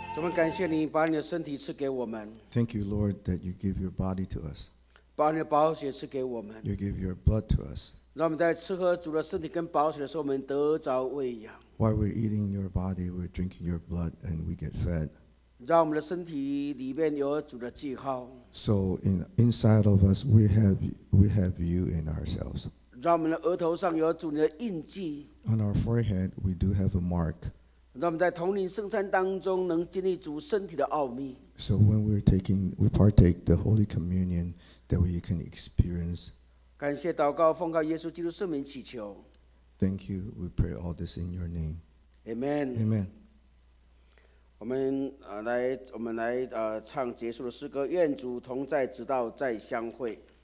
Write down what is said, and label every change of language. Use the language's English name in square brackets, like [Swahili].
[Chinese] 我们感谢你把你的身体赐给我们。 [English] Thank you, Lord, that you give your body to us. [Chinese] 把你的宝血赐给我们。 [English] You give your blood to us. [Chinese] 让我们在吃喝主的身体跟宝血的时候，我们得着喂养。 [English] While we're eating your body, we're drinking your blood, and we get fed. [Chinese] 让我们的身体里面有主的记号。 [English] So inside of us, we have you in ourselves. [Chinese] 让我们的额头上有主你的印记。 [English] On our forehead, we do have a mark. [Chinese] 让我们在同领圣餐当中能经历主身体的奥秘。 [English] So when we partake the Holy Communion, that we can experience. [Chinese] 感谢祷告，奉靠耶稣基督圣名祈求。 [English] Thank you. We pray all this in your name. Amen. Amen. [Chinese] 我们来唱结束的诗歌，愿主同在，直到再相会。